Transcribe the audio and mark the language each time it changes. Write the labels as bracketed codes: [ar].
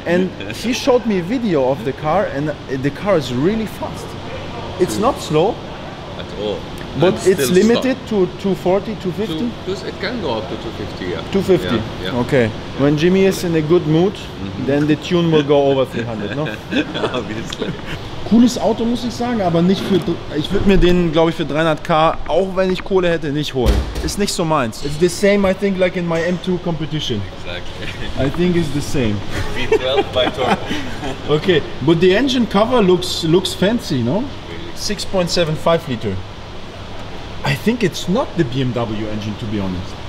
[en] And he showed me a video of the car, and the car is really fast. It's not slow. At all. But it's limited to 240, 250? It can go up to 250, yeah. 250? Yeah, yeah. Okay. Yeah. When Jimmy is in a good mood, then the tune will go over 300, no? Obviously. [de] Cooles Auto, muss ich sagen, aber nicht für. Ich würde mir den, glaube ich, für 300k, auch wenn ich Kohle hätte, nicht holen. Ist nicht so meins. [en] It's the same, I think, like in my M2 competition. Exactly. I think it's the same. V12 by Torque. Okay, but the engine cover looks fancy, no? Really? 6.75 liter. I think it's not the BMW engine, to be honest.